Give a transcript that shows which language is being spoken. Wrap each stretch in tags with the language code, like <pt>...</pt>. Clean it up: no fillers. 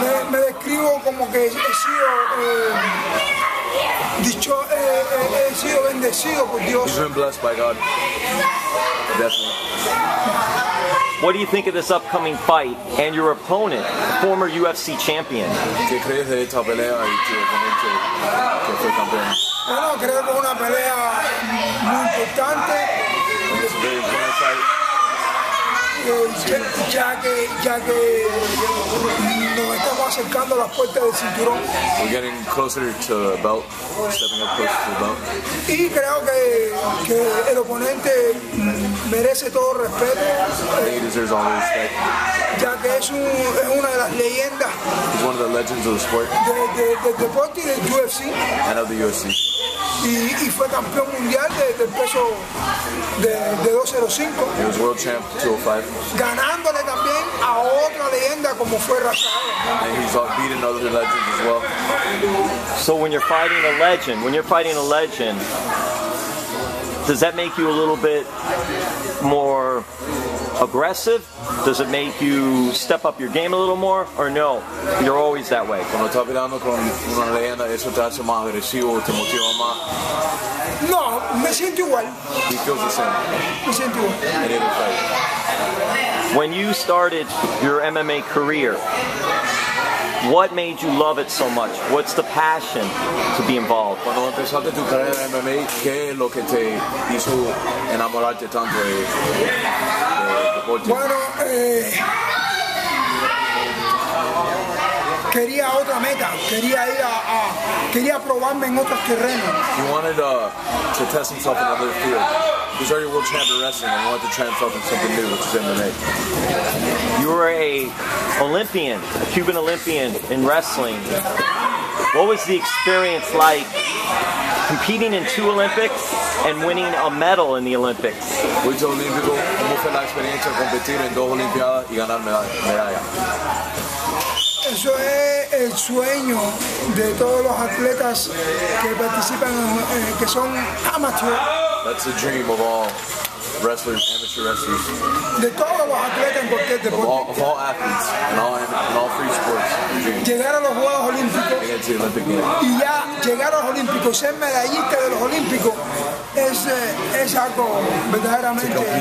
<es>Me describo como que he sido, dicho, he sido bendecido por Dios.</es> <en>He's been blessed by God, definitely. What do you think of this upcoming fight and your opponent, former UFC champion?</en> <es>¿Qué crees de esta pelea y tu oponente que fue campeón? Bueno, creo que es una pelea muy importante.</es> <en>It's a very important fight.</en> <es>Ya que nos estamos acercando a las puertas del cinturón.</es> <en>We're getting closer to the belt, stepping up closer to the belt.</en> <es>Y creo que el oponente merece todo respeto.</es> <en>I think he deserves all the respect.</en> <es>Ya que es una de las leyendas.</es> <en>He's one of the legends of the sport.</en> <es>De deporte y del UFC.</es> <en>And of the UFC.</en> <es>Y fue campeón mundial del peso de 205.</es> <en>He was world champ 205.</en> <es>Ganándole también a otra leyenda como fue Rafael.</es> <en>And he's beating other legends as well. So when you're fighting a legend, does that make you a little bit more aggressive? Does it make you step up your game a little more, or no? You're always that way.</en> <es>Cuando estás peleando con una leyenda, eso te hace más agresivo, te motiva más. No, me siento igual.</es> <en>He feels the same.</en> <es>Me siento igual.</es> <en>In every fight. When you started your MMA career, what made you love it so much? What's the passion to be involved?</en> <es>Cuando empezaste tu carrera en MMA, ¿qué es lo que te hizo enamorarte tanto de deporte? Bueno, quería otra meta. Quería ir a quería probarme en otros terrenos.</es> <en>He wanted to test himself in other fields. He was already world champion wrestling and wanted to try himself in something new, which is MMA. You were a Cuban Olympian in wrestling. What was the experience like competing in two Olympics and winning a medal in the Olympics?</en> <es>Which Olympico, ¿cómo fue la experiencia competir en dos Olimpiadas y ganar medalla? Eso es el sueño de todos los atletas que participan, que son amateurs.</es> <en>That's the dream of all wrestlers, amateur wrestlers.</en> <es>De todos los atletas en cualquier deporte.</es> <en>Of all athletes, in all free sports.</en> <es>Llegar a los Juegos Olímpicos. Y ya llegar a los Olímpicos, ser medallista de los Olímpicos, es algo verdaderamente.</es>